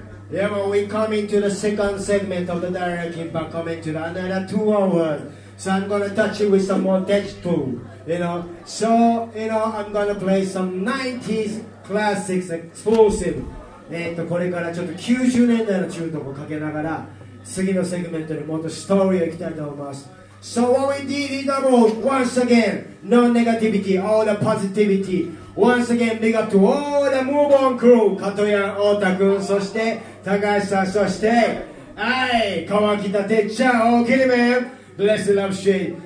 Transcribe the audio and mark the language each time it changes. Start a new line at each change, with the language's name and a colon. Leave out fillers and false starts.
English: Yeah, well, we come into the second segment of the Direct Impact, coming to another 2 hours. So I'm going to touch it with some more tech too. You know, so, you know, I'm going to play some 90s classics, explosive.
Japanese: これからちょっと90年代のチューンとかかけながら、次のセグメントにもっとストーリーをいきたいと思います。
English: So what we did in the road, once again, no negativity, all the positivity. Once again, big up to all the Move On crew, Katoyan, Ota君, そして Takahashi, そして Kawakita, Techan, okay man, bless the love stream.